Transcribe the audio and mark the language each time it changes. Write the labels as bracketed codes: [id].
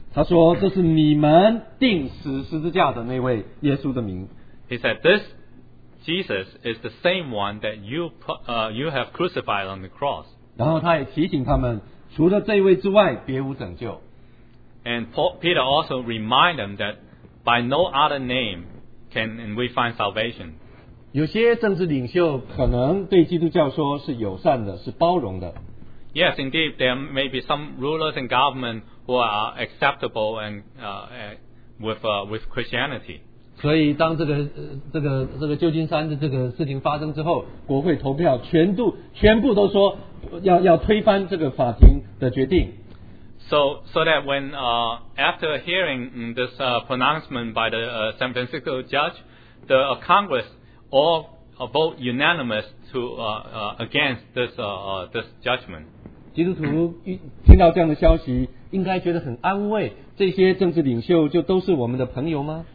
[zh] 他说这是你们钉死十字架的那位耶稣的名。 [en] He said this Jesus is the same one that you have crucified on the cross. [zh] 然后他也提醒他们除了这位之外别无拯救。 [en] And Peter also reminded them that by no other name,And we find salvation. [zh] 有些政治领袖可能对基督教说是友善的，是包容的。 [en] Yes, indeed, there may be some rulers and government who are acceptable and with Christianity. [zh] 所以当这个旧金山的这个事情发生之后，国会投票全部都说要推翻这个法庭的决定。 [en] So that when after hearing this pronouncement by the San Francisco judge, the Congress all vote unanimous to against this judgment. [zh] 基督徒听到这样的消息，应该觉得很安慰。这些政治领袖就都是我们的朋友吗